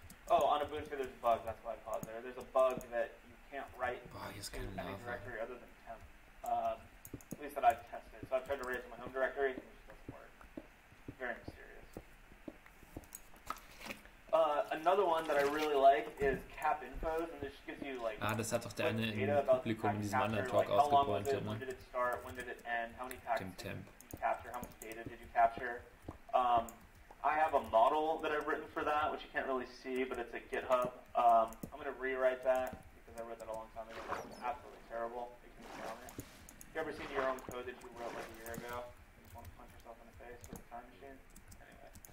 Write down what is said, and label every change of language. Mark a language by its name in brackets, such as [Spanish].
[English] Oh, on Ubuntu, there's a bug. That's why I paused there. There's a bug that you can't write in any directory other than temp. At least that I've tested. So I've tried to write it in my home directory, and it just doesn't work. Very mysterious. Another one that I really like is cap infos, and this gives you like [German] das hat doch der eine im Publikum in diesem anderen Talk aufgepointet, [English] like, when did it start? When did it end? How many packs did you capture? How much data did you capture? I have a model that I've written for that, which you can't really see, but it's a GitHub. I'm going to rewrite that because I wrote that a long time ago. It's absolutely terrible. You can see on it. You ever seen your own code that you wrote like a year ago? You just want to punch yourself in the face with a time machine? Anyway.